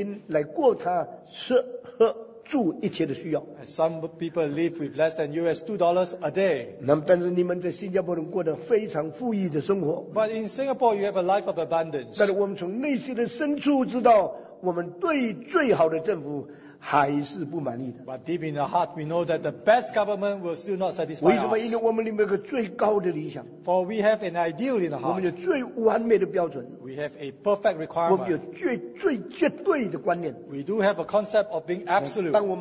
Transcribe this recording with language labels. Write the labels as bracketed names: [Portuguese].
[Chinese] 许多的人一天只有2块美金来过他吃喝。 [English] Some people live with less than US$2 a day. [Chinese] 但是你们在新加坡人过得非常富裕的生活。 [English] But in Singapore, you have a life of abundance. [Chinese] 但是我们从内心的深处知道，我们对最好的政府还是不满意的。 [English] But deep in the heart, we know that the best government will still not satisfy us. [Chinese] 为什么？因为我们里面有个最高的理想。 [English] For we have an ideal in the heart. [Chinese] 我们有最完美的标准。 [English] We have a perfect requirement. [Chinese] 我们有最绝对的观念。 [English] We do have a concept of being absolute.